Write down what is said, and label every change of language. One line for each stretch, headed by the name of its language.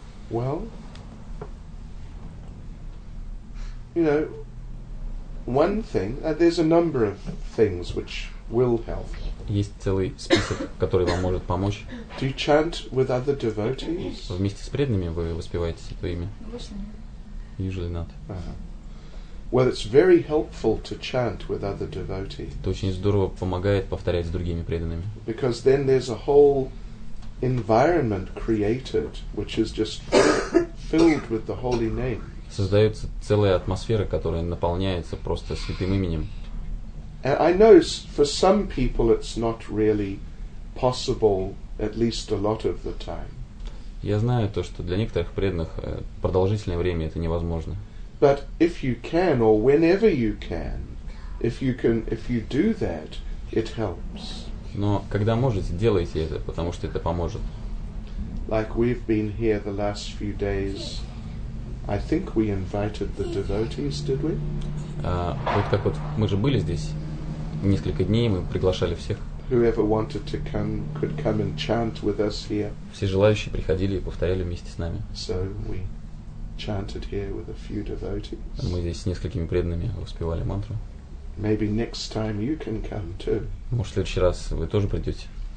English: Well, you know, one thing, there's a number of things which will help.
Russian: Есть целый список, который вам может помочь.
English: Do you chant with other devotees?
Russian: Вместе с преданными вы воспеваете святое имя? Обычно.
English: Usually not. Uh-huh. Well, it's very helpful to chant with other devotees.
Russian: Это очень здорово помогает повторять с другими преданными.
English: Because then there's a whole environment created, which is just filled with the holy name.
Russian: Создается целая атмосфера, которая наполняется просто святым именем.
English: And I know for some people it's not really possible, at least a lot of the time.
Russian: Я знаю то, что для некоторых преданных продолжительное время это невозможно.
English: But if you can, or whenever you can, if you do that, it helps.
Russian: Но когда можете, делайте это, потому что это поможет.
English: Like we've been here the last few days. I think we invited the devotees, did we?
Russian: Вот как вот мы же были здесь. Несколько дней мы приглашали всех.
English: Whoever wanted to come could come and chant with us here.
Russian: Все желающие приходили и повторяли вместе с нами.
English: So we chanted here with a few devotees.
Russian: Мы здесь с несколькими преданными воспевали мантру.
English: Maybe next time you can come too.
Russian: Может, в следующий раз вы тоже придете?